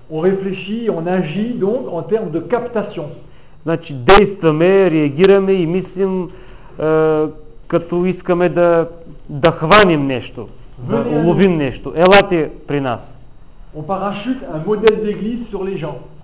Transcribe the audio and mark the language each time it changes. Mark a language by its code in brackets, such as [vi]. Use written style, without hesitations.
[fr] On réfléchit, on agit donc en termes de captation. [bg] Значи действаме, реагираме и мислим като искаме да хваним нещо, да уловим нещо. Елате при нас. [fr] On parachute un modèle d'église sur les gens.